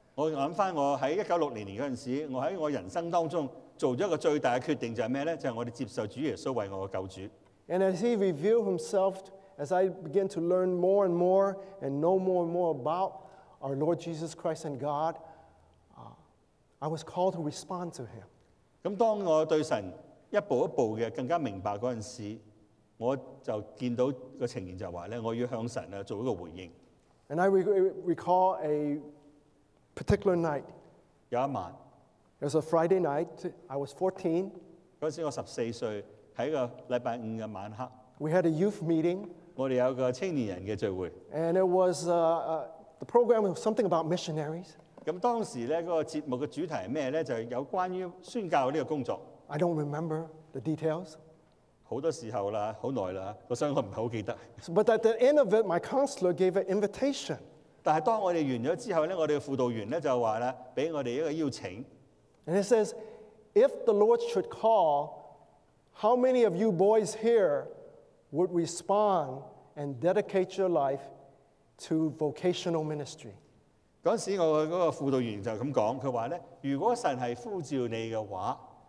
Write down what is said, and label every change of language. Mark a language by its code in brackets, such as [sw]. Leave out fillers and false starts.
[yue] 我諗翻我喺1960年嗰陣時，我喺我人生當中做咗一個最大嘅決定，就係咩咧？就係我哋接受主耶穌為我嘅救主。 [en] And as he revealed himself, as I begin to learn more and more and know more and more aboutOur Lord Jesus Christ and God, I was called to respond to Him. [yue] 咁當我對神一步一步嘅更加明白嗰陣時，我就見到個情形就話咧，我要向神啊做一個回應。 [en] And I recall a particular night. [yue] 有一晚 [en] It was a Friday night. I was 14. [yue] 嗰時我14歲，喺一個禮拜五嘅晚黑。 [en] We had a youth meeting. [yue] 我哋有個青年人嘅聚會。 [en] And it was the program was something about missionaries. [yue] 咁當時咧嗰個節目嘅主題係咩咧？就係有關於宣教呢個工作。 [en] I don't remember the details. [yue] 好多時候啦，好耐啦，我想我唔係好記得。 [en] But at the end of it, my counselor gave an invitation. [yue] 但係當我哋完咗之後咧，我哋嘅輔導員咧就話啦，俾我哋一個邀請。 [en] And it says, if the Lord should call, how many of you boys here would respond and dedicate your life to vocational ministry? [yue] 嗰時我嗰個輔導員就咁講，佢話咧，如果神係呼召你嘅話。